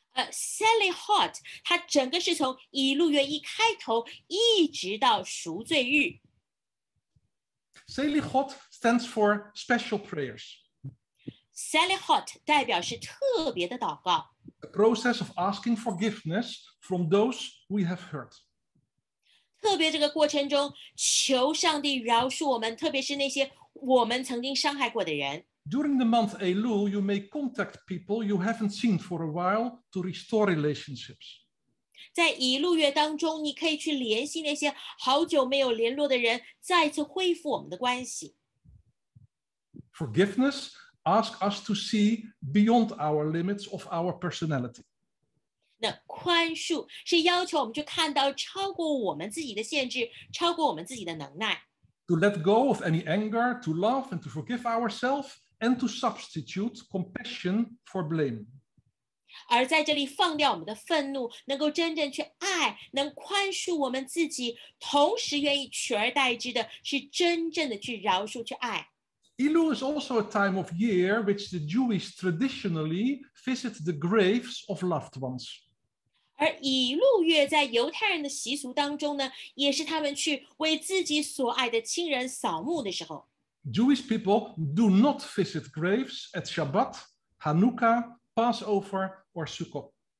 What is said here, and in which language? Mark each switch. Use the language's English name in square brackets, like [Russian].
[Chinese] Selichot, 它整个是从以路月一开头一直到赎罪日。 [English] Selichot stands for special prayers. [Chinese] Selichot 代表是特别的祷告。 [English] A process of asking forgiveness from those we have hurt. [Chinese] 特别这个过程中求上帝饶恕我们，特别是那些我们曾经伤害过的人。 [English] During the month Elul, you may contact people you haven't seen for a while to restore relationships. [Chinese] 在以路月当中，你可以去联系那些好久没有联络的人，再次恢复我们的关系。 [English] Forgiveness asks us to see beyond our limits of our personality. [Chinese] 那宽恕是要求我们去看到超过我们自己的限制，超过我们自己的能耐。 [English] To let go of any anger, to love and to forgive ourselves, and to substitute compassion for blame. [Chinese] 而在这里放掉我们的愤怒，能够真正去爱，能宽恕我们自己，同时愿意取而代之的是真正的去饶恕，去爱。 [English] Elul is also a time of year which the Jewish traditionally visit the graves of loved ones. [Chinese] 而以路月在犹太人的习俗当中呢，也是他们去为自己所爱的亲人扫墓的时候。 [English] Jewish people do not visit graves at Shabbat, Hanukkah, Passover, or Sukkot.